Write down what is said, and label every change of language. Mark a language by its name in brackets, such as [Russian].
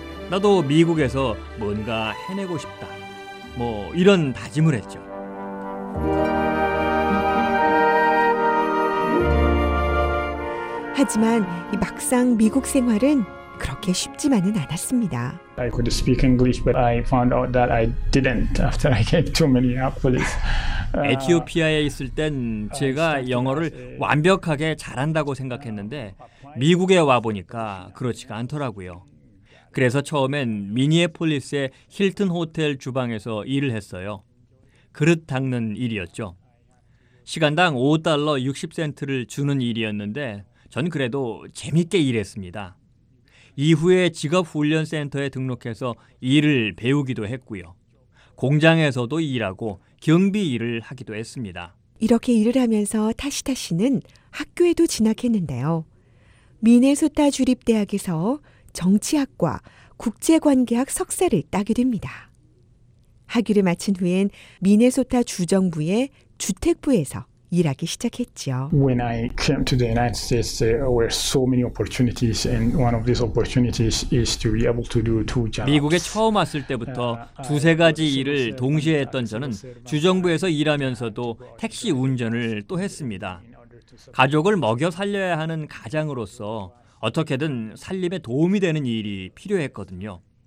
[Korean] 나도 미국에서 뭔가 해내고 싶다. 뭐 이런 다짐을 했죠. 하지만 이 막상 미국 생활은 그렇게 쉽지만은 않았습니다. [English] I could speak English, but I found out that I didn't after I came to Minneapolis. [Korean] 에티오피아에 있을 땐 제가 영어를 완벽하게 잘한다고 생각했는데 미국에 와보니까 그렇지가 않더라고요. 그래서 처음엔 미니에폴리스의 힐튼 호텔 주방에서 일을 했어요. 그릇 닦는 일이었죠. 시간당 5달러 60센트를 주는 일이었는데 전 그래도 재밌게 일했습니다. 이후에 직업훈련센터에 등록해서 일을 배우기도 했고요. 공장에서도 일하고 경비 일을 하기도 했습니다. 이렇게 일을 하면서 타시타 씨는 학교에도 진학했는데요. 미네소타 주립대학에서 정치학과 국제관계학 석사를 따게 됩니다. 학위를 마친 후엔 미네소타 주정부의 주택부에서 일하기 시작했죠. [English] When I came to the United States, there were so many opportunities, and one of these opportunities is to be able to do two jobs. [Korean] 미국에 처음 왔을 때부터 두세 가지 일을 동시에 했던 저는 주정부에서 일하면서도 택시 운전을 또 했습니다. 가족을 먹여 살려야 하는 가장으로서 어떻게든 살림에 도움이 되는 일이 필요했거든요.